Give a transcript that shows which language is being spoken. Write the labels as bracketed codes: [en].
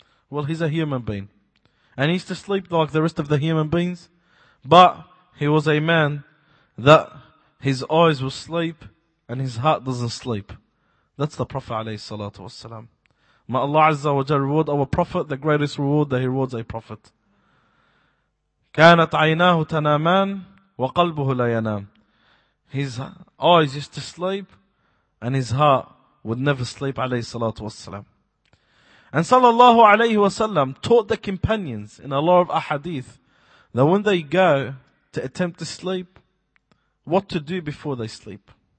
[en] Well, he's a human being. And he used to sleep like the rest of the human beings. But he was a man that his eyes will sleep and his heart doesn't sleep. That's the Prophet alayhi salatu wasalam. May Allah Azza wa Jalla reward our Prophet, the greatest reward that he rewards a Prophet. [ar] كانت عيناه تنامان وقلبه لا ينام. [en] His eyes used to sleep and his heart would never sleep [ar] عليه الصلاة والسلام. [en] And [ar] صلى الله عليه وسلم [en] taught the companions in a lot of ahadith that when they go to attempt to sleep, what to do before they sleep.